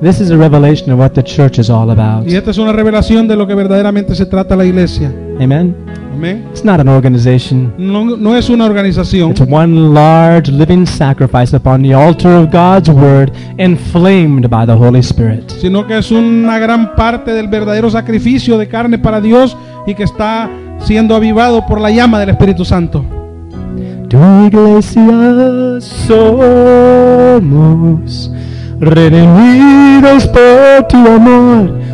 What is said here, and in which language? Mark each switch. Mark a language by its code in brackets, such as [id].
[en] This is a revelation of what the church is all about. [es] Y esta es una revelación de lo que verdaderamente se trata la iglesia. [en] Amen. It's not an organization. [es] No es una organización. [en] It's one large living sacrifice upon the altar of God's word, inflamed by the Holy Spirit. [es] Sino que es una gran parte del verdadero sacrificio de carne para Dios y que está siendo avivado por la llama del Espíritu Santo. Tu iglesia somos redimidos por tu amor.